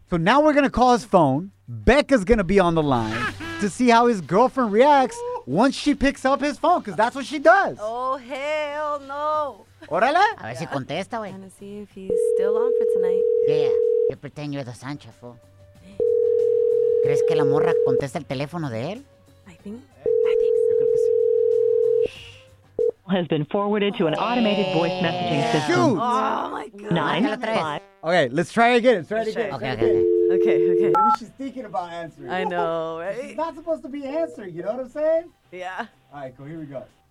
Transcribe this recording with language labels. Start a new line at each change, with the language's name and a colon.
English: So now we're gonna call his phone. Becca's gonna be on the line to see how his girlfriend reacts once she picks up his phone, because that's what she does. Oh, hell no.
Spanish: Órale. A ver si contesta, güey.
English: Trying to see if he's still on for tonight. Yeah, you pretend you're the Sancho, fool.
Spanish: ¿Crees que la morra contesta el teléfono de él?
English: I think so. Has been forwarded to an automated voice messaging system. Shoot. Oh, my God. 9-5. Okay, let's try again. Let's try again. Okay. Maybe she's thinking about answering. I know, right? She's not supposed to be answering, you know what I'm saying? Yeah. All right, cool. Here we go.